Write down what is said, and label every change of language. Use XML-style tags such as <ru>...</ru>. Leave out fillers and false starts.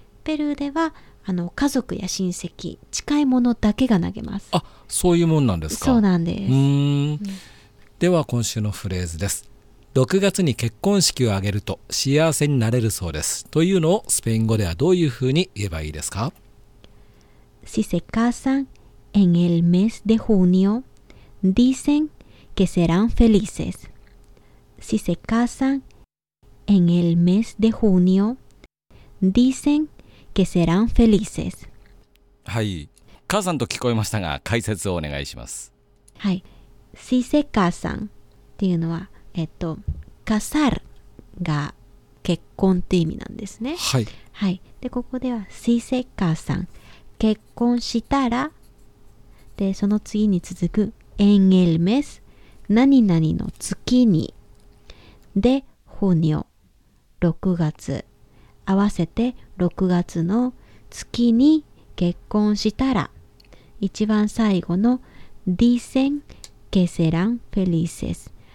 <ja>ペルーでは家族や親戚、近いものだけが投げます。あ、そういうもんなんですか。そうなんです。うーん、では今週のフレーズです。 6月に結婚式を挙げると幸せになれるそうです、というのをスペイン語ではどういうふうに言えばいいですか？</ja> <es>Si se casan en el mes de junio dicen que serán felices. Si se casan en el mes de junio dicen que serán felices.</es> <ja>はい、母さんと聞こえましたが解説をお願いします。はい、</ja> <es>Si se casan</es> <ja>っていうのはcasar が結婚っていう意味なんですね。はい、はい、でここでは</ja> <es>Si se casan</es> <ja>結婚したら、でその次に続く</ja> <es>en el mes</es> <ja>何々の月にで junio 6月、合わせて6月の月に結婚したら、一番最後の</ja> <es>dicen que serán felices。</es>